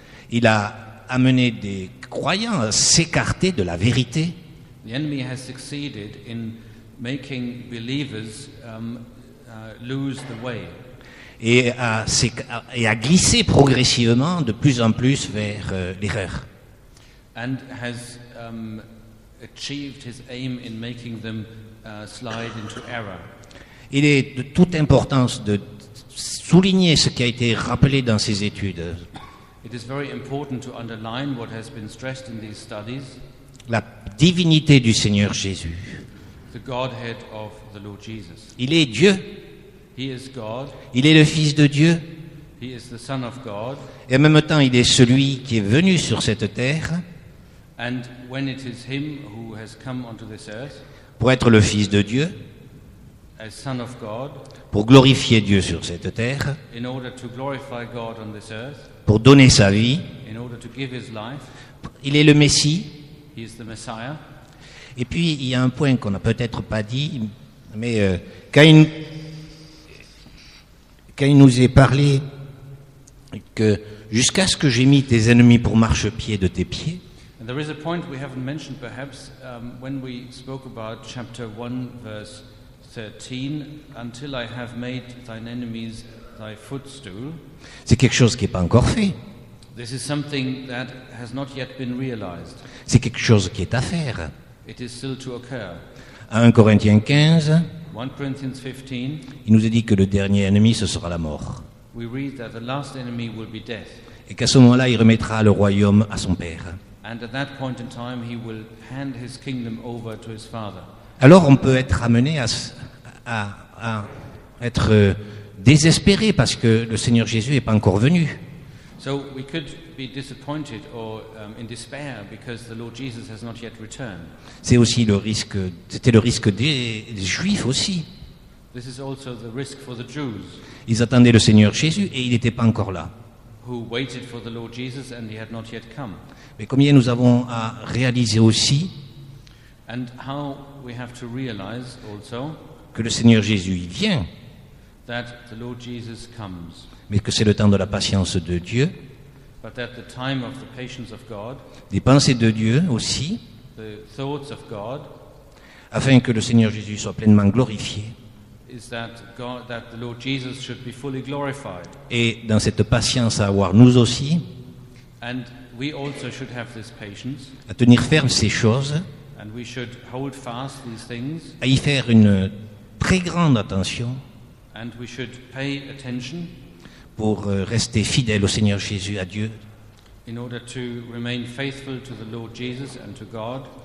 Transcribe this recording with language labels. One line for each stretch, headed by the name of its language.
French: il a amené des croyants à s'écarter de la vérité.
English: The enemy has succeeded in making believers lose the way.
French: Et a glissé progressivement de plus en plus vers l'erreur.
English: And has achieved his aim in making them slide into error.
French: Il est de toute importance de souligner ce qui a été rappelé dans ces études.
English: It is very important to underline what has been stressed in these studies.
French: La divinité du Seigneur Jésus.
English: The Godhead of the Lord Jesus.
French: Il est Dieu.
English: He is God.
French: Il est le Fils de Dieu.
English: He is the Son of God.
French: Et en même temps, il est celui qui est venu sur cette terre.
English: And when it is him who has come onto this earth,
French: pour être le Fils de Dieu,
English: as Son of God,
French: pour glorifier Dieu sur cette terre,
English: in order to glorify God on this earth,
French: pour donner sa vie,
English: in order to give his life,
French: il est le Messie.
English: He is the Messiah.
French: Et puis, il y a un point qu'on n'a peut-être pas dit, mais quand il nous est parlé que jusqu'à ce que j'ai mis tes ennemis pour marchepied de tes pieds,
English: and there is a point we haven't mentioned perhaps when we spoke about chapter 1 verse 13, until I have made thine enemies thy footstool.
French: C'est quelque chose qui n'est pas encore fait.
English: This is something that has not yet been realized.
French: C'est quelque chose qui est à faire.
English: It is still to occur.
French: À 1 Corinthiens 15,
English: 1 Corinthians 15,
French: il nous est dit que le dernier ennemi ce sera la mort.
English: We read that the last enemy will be death.
French: Et qu'à ce moment-là il remettra le royaume à son père.
English: And at that point in time he will hand his kingdom over to his father.
French: Alors on peut être amené à être désespéré parce que le Seigneur Jésus n'est pas encore venu.
English: So we could be disappointed or in despair because the Lord Jesus has not yet returned.
French: C'est aussi le risque, c'était le risque des Juifs aussi.
English: This is also the risk for the Jews.
French: Ils attendaient le Seigneur Jésus et il n'était pas encore là.
English: Who waited for the Lord Jesus and he had not yet come.
French: Mais combien nous avons à réaliser aussi
English: And how we have to realize also
French: que le Seigneur Jésus y vient,
English: that the Lord Jesus comes,
French: mais que c'est le temps de la patience de Dieu,
English: but that the time of the patience of God,
French: des pensées de Dieu aussi,
English: the thoughts of God,
French: afin que le Seigneur Jésus soit pleinement glorifié.
English: Is that God, that the Lord Jesus should be fully glorified.
French: Et dans cette patience à avoir nous aussi,
English: and we also should have this patience,
French: à tenir ferme ces choses,
English: and we should hold fast these things,
French: à y faire une très grande attention,
English: and we should pay attention,
French: pour rester fidèle au Seigneur Jésus, à Dieu.
English: In order to remain faithful to the Lord Jesus and to God,